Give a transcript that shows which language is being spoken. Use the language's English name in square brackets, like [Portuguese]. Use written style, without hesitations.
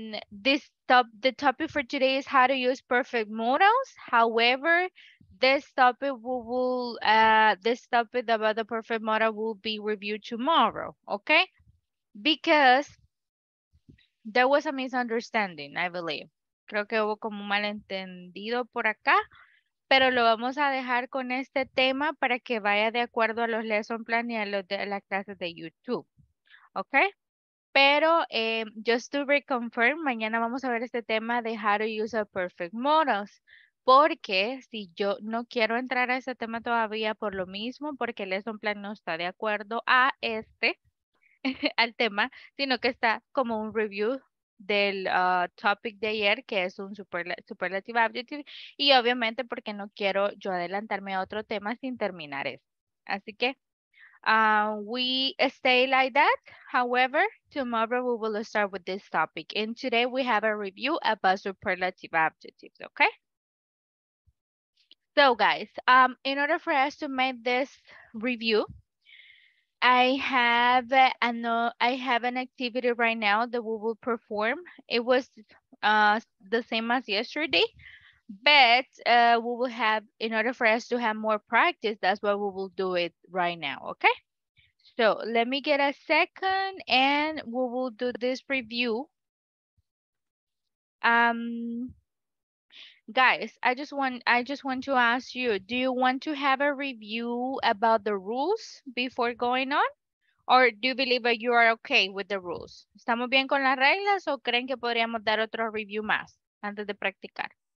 [English] The topic for today is how to use perfect modals. However, this topic about the perfect modal will be reviewed tomorrow, okay? Because there was a misunderstanding, I believe. [Spanish] Creo que hubo como un malentendido por acá, pero lo vamos a dejar con este tema para que vaya de acuerdo a los lesson plan y a los de las clases de YouTube. Okay? [English] Pero just to reconfirm, [Spanish] mañana vamos a ver este tema de [English] how to use a perfect modals. [Spanish] Porque si yo no quiero entrar a este tema todavía por lo mismo, porque el lesson plan no está de acuerdo a este, al tema, sino que está como un review del topic de ayer, que es un superlative adjective, y obviamente porque no quiero yo adelantarme a otro tema sin terminar eso. Así que, [English] we stay like that. However, tomorrow we will start with this topic, and today we have a review about superlative adjectives, okay? So guys, in order for us to make this review, I have an activity right now that we will perform. It was the same as yesterday, but we will have, in order for us to have more practice, that's why we will do it right now, okay? So let me get a second and we will do this review. guys, I just want to ask you, do you want to have a review about the rules before going on? Or do you believe that you are okay with the rules? [Spanish] ¿Estamos bien con las reglas o creen que podríamos dar otro review más antes de practicar?